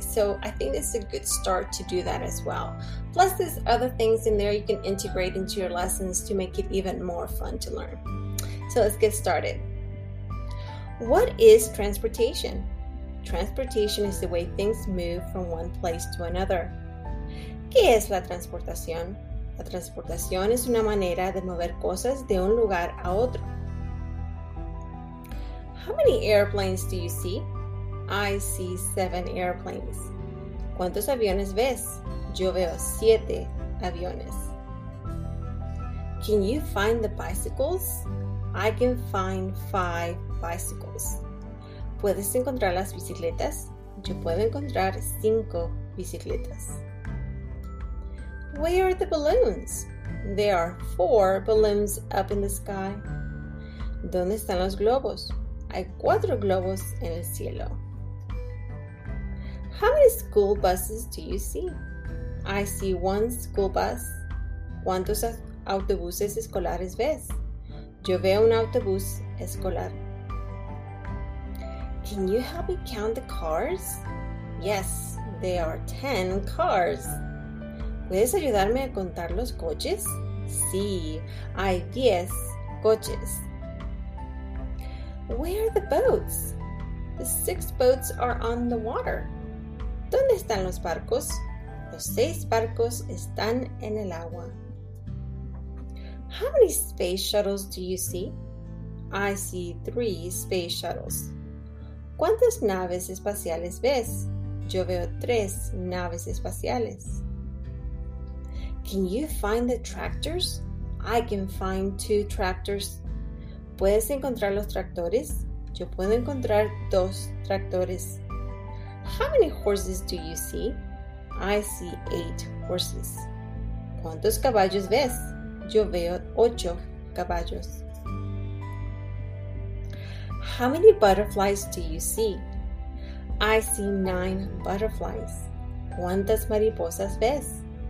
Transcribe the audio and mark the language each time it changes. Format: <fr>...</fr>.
<en>So I think this is a good start to do that as well. Plus, there's other things in there you can integrate into your lessons to make it even more fun to learn. So let's get started. What is transportation? Transportation is the way things move from one place to another.</en> <es>¿Qué es la transportación? La transportación es una manera de mover cosas de un lugar a otro.</es> <en>How many airplanes do you see? I see 7 airplanes.</en> <es>¿Cuántos aviones ves? Yo veo 7 aviones.</es> <en>Can you find the bicycles? I can find 5 bicycles.</en> <es>¿Puedes encontrar las bicicletas? Yo puedo encontrar 5 bicicletas.</es> <en>Where are the balloons? There are 4 balloons up in the sky.</en> <es>¿Dónde están los globos? Hay 4 globos en el cielo.</es> <en>How many school buses do you see? I see 1 school bus.</en> <es>¿Cuántos autobuses escolares ves? Yo veo un autobús escolar.</es> <en>Can you help me count the cars? Yes, there are 10 cars.</en> <es>¿Puedes ayudarme a contar los coches? Sí, hay 10 coches.</es> <en>Where are the boats? The 6 boats are on the water.</en> <es>¿Dónde están los barcos? Los 6 barcos están en el agua.</es> <en>How many space shuttles do you see? I see 3 space shuttles.</en> <es>¿Cuántas naves espaciales ves? Yo veo 3 naves espaciales.</es> <en>Can you find the tractors? I can find 2 tractors.</en> <es>¿Puedes encontrar los tractores? Yo puedo encontrar 2 tractores.</es> <en>How many horses do you see? I see 8 horses.</en> <es>¿Cuántos caballos ves? Yo veo 8 caballos.</es> <en>How many butterflies do you see? I see 9 butterflies.</en> <es>¿Cuántas mariposas ves?</es>